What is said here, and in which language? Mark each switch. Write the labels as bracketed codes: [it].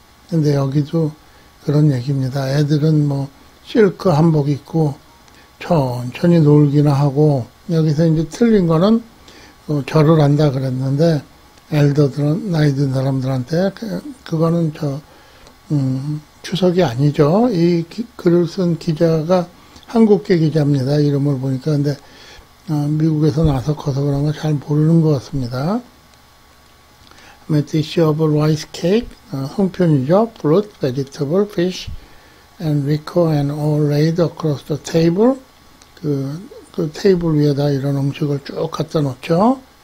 [ko] 근데 여기도 그런 얘기입니다. 애들은 뭐 실크 한복 입고 천천히 놀기나 하고, 여기서 이제 틀린 거는 절을 한다 그랬는데, 엘더들은, 나이 든 사람들한테, 그거는 저, 추석이 아니죠. 이 글을 쓴 기자가 한국계 기자입니다. 이름을 보니까. 근데, 미국에서 나서 커서 그런 거 잘 모르는 것 같습니다. [en] Dish of rice cake, [ko] 송편이죠. [en] Fruit, vegetable, fish, and rico and all laid across the table. [ko] 그 테이블 위에다 이런 음식을 쭉 갖다 놓죠.